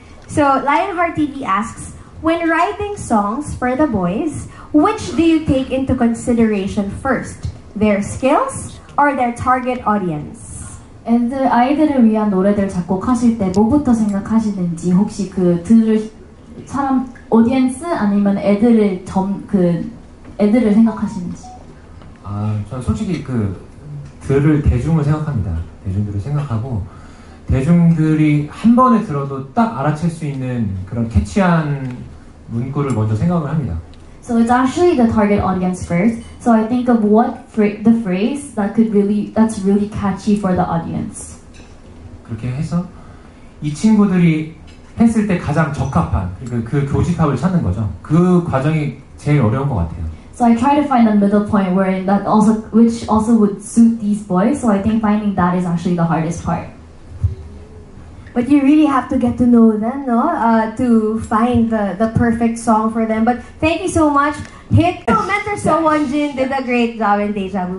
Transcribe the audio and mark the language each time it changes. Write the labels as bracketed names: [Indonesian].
[English] So, Lionheart TV asks, when writing songs for the boys, which do you take into consideration first? Their skills or their target audience? [Korean] And 아이들을 위한 노래들 작곡하실 때 뭐부터 생각하시는지 혹시 그 들을 사람 오디언스 아니면 애들을 점 그 애들을 생각하시는지 아 전 솔직히 그 들을 대중을 생각합니다 대중들을 생각하고 대중들이 한 번에 들어도 딱 알아챌 수 있는 그런 캐치한 문구를 먼저 생각을 합니다. [English] So it's actually the target audience first. So I think of what the phrase that could really that's really catchy for the audience. [Korean] 그렇게 해서 이 친구들이 했을 때 가장 적합한 그 교집합을 찾는 거죠. 그 과정이 제일 어려운 것 같아요. [English] So I try to find the middle point where that also which also would suit these boys. So I think finding that is actually the hardest part. But you really have to get to know them, no? To find the perfect song for them. But thank you so much. Hit no, Mentor Sohwanjin did a great job in Deja Vu.